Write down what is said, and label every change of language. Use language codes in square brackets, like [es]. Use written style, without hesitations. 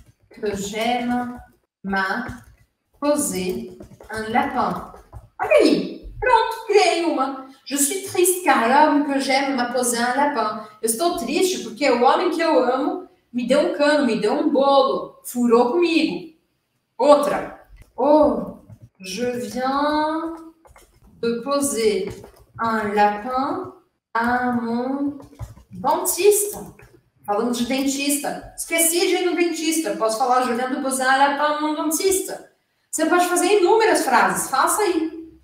[fr] que j'aime ma poser un lapin. [pt] Olha aí, pronto, criei uma. [fr] Je suis triste car l'homme que j'aime m'a posé un lapin. [pt] Eu estou triste porque o homem que eu amo me deu um cano, me deu um bolo, furou comigo. Outra. [fr] Oh, je viens de poser un lapin à mon dentiste. [pt] Falando de dentista. Esqueci de ir no dentista. Posso falar, [fr] je viens de poser un lapin à mon dentiste. [pt] Você pode fazer inúmeras frases. Faça aí.